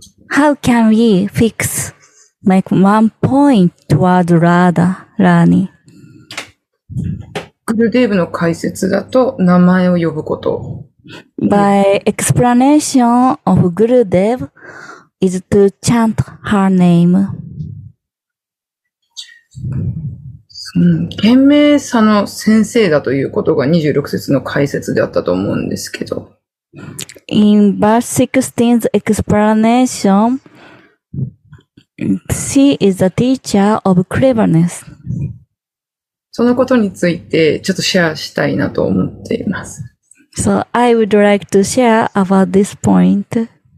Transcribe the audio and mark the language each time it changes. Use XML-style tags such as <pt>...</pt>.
<en>How can we fix, make one point toward Radha Rani?</en> <ja>グルデーブの解説だと名前を呼ぶこと。</ja> <en>By explanation of Gurudev is to chant her name.</en> <ja>賢明さの先生だということが26節の解説であったと思うんですけど。</ja> <en>In verse 16's explanation, she is the teacher of cleverness.</en> <ja>そのことについてちょっとシェアしたいなと思っています。</ja> <en>So I would like to share about this point.</en>